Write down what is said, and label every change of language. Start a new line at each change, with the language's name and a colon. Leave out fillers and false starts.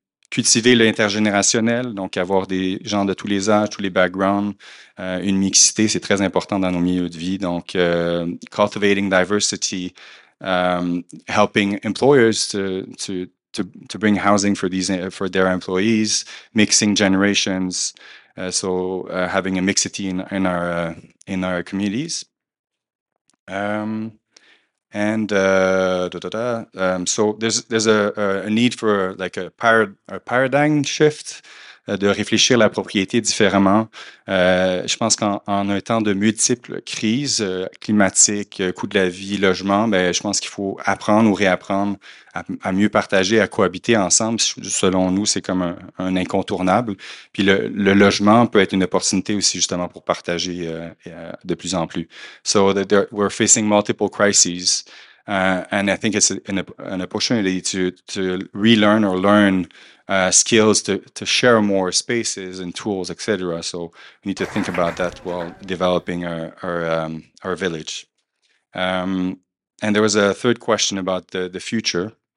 French: Cultiver l'intergénérationnel, donc avoir des gens de tous les âges, tous les backgrounds, une mixité, c'est très important dans nos milieux de vie.
English: Donc, cultivating diversity, helping employers to bring housing for their employees, mixing generations, having a mixity in our communities. There's a need for like a paradigm shift,
French: de réfléchir la propriété différemment. Je pense qu'en un temps de multiples crises climatiques, coût de la vie, logement, ben je pense qu'il faut apprendre ou réapprendre à mieux partager, à cohabiter ensemble. Selon nous, c'est comme un incontournable. Puis le logement peut être une opportunité aussi justement pour partager de plus en plus.
English: So that we're facing multiple crises. And I think it's an opportunity to relearn or learn skills to share more spaces and tools, etc. So we need to think about that while developing our village. And there was a third question about the future.